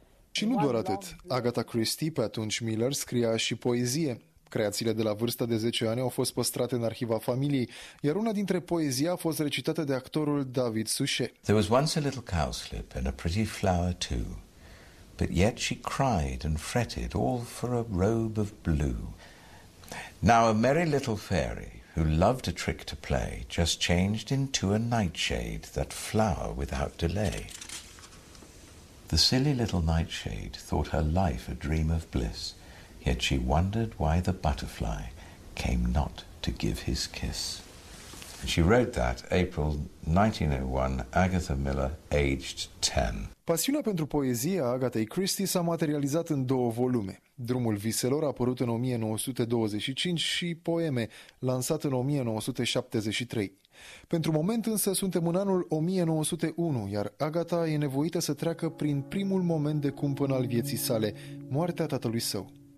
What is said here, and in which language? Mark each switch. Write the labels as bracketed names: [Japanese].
[Romanian] Și nu doar atât. Agatha Christie, pe atunci Miller, scria și poezie. Creațiile de la vârsta de 10 ani au fost păstrate în arhiva familiei, iar una dintre poezii a fost recitată de actorul David Suchet. [English] There was once a little cowslip and a pretty flower too, but yet she cried and fretted all for a robe of blue. Now a merry little fairy who loved a trick to play just changed into a nightshade that flower without delay. The silly little nightshade thought her life a dream of bliss. Yet she wondered why the butterfly came not to give his kiss. She wrote that April 1901, Agatha Miller, aged 10. [Romanian] Pasiunea pentru poezie a Agathei Christie s-a materializat în două volume. Drumul viselor a apărut în 1925 și Poeme, lansat în 1973. Pentru moment însă suntem în anul 1901, iar Agatha e nevoită să treacă prin primul moment de cumpăn al vieții sale, moartea tatălui său.